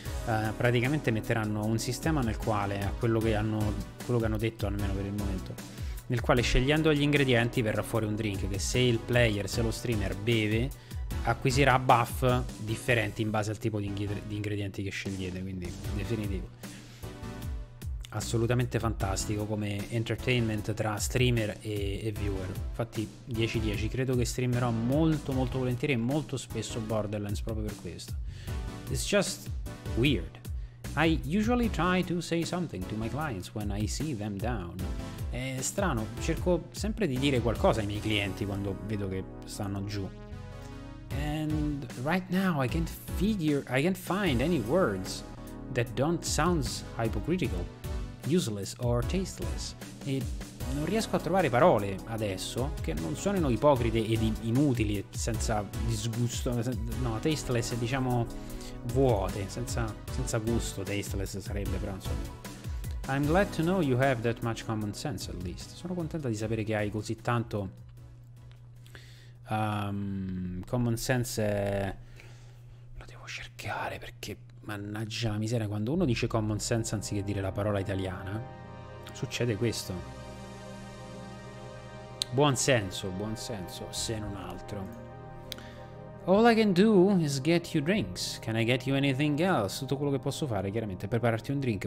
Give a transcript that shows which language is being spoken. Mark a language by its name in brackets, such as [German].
[Italian] Praticamente metteranno un sistema nel quale, a quello che hanno detto, almeno per il momento, nel quale scegliendo gli ingredienti verrà fuori un drink che, se il player, se lo streamer beve, acquisirà buff differenti in base al tipo di ingredienti che scegliete. Quindi definitivo, assolutamente fantastico come entertainment tra streamer e viewer. Infatti 10-10, credo che streamerò molto molto volentieri e molto spesso Borderlands proprio per questo. [English] It's just weird, I usually try to say something to my clients when I see them down. [Italian] È strano, cerco sempre di dire qualcosa ai miei clienti quando vedo che stanno giù. [English] And right now I can't find any words that don't sound hypocritical, useless or tasteless. [Italian] E non riesco a trovare parole adesso che non suonino ipocrite ed inutili, senza disgusto, no, tasteless, diciamo vuote, senza gusto. Tasteless sarebbe, però insomma. [English] I'm glad to know you have that much common sense at least. [Italian] Sono contenta di sapere che hai così tanto common sense. Lo devo cercare, perché mannaggia la miseria, quando uno dice common sense anziché dire la parola italiana succede questo. Buon senso, se non altro. [English] All I can do is get you drinks. Can I get you anything else? [Italian] Tutto quello che posso fare, chiaramente, è prepararti un drink.